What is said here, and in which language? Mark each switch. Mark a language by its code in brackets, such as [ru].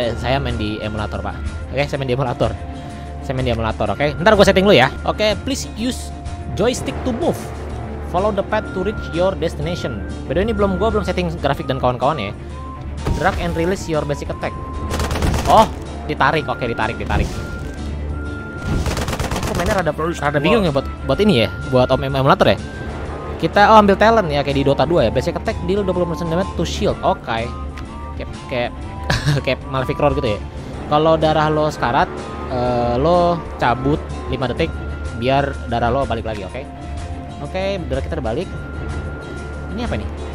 [id] Saya main di emulator pak. Oke, okay, saya main di emulator. Oke. Okay. Ntar gue setting dulu ya. Oke. [en] Okay, please use joystick to move. Follow the path to reach your destination. [id] By the way, ini gue belum setting grafik dan kawan-kawan ya. [en] Drag and release your basic attack. [id] Oh, ditarik. Oke, ditarik. Aku mainnya rada bingung ya buat ini ya, buat emulator ya. Kita ambil talent ya, kayak di Dota 2 ya. [en] Basic attack deal 20% damage to shield. [id] Oke. Okay. Kayak Malefic Roar gitu ya. Kalau darah lo sekarat, lo cabut 5 detik biar darah lo balik lagi, oke. Okay? Oke, okay, darah kita udah balik. Ini apa nih?